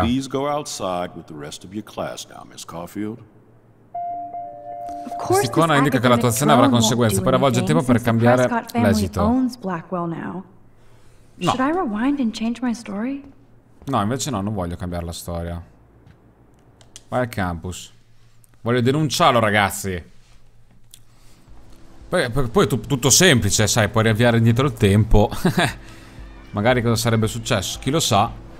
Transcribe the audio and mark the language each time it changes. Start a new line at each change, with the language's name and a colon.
English: Please go outside with the rest of your class now, Miss Caulfield. Of course.
Italian: Questi qua indica che la tua azione avrà conseguenze. Però avvolge il tempo per cambiare l'esito. No.
English: Should I rewind and change my story?
Italian: No, invece no, non voglio cambiare la storia. Vai al campus. Voglio denunciarlo, ragazzi. Poi è tutto semplice, sai, puoi riavviare indietro il tempo. Magari cosa sarebbe successo? Chi lo sa?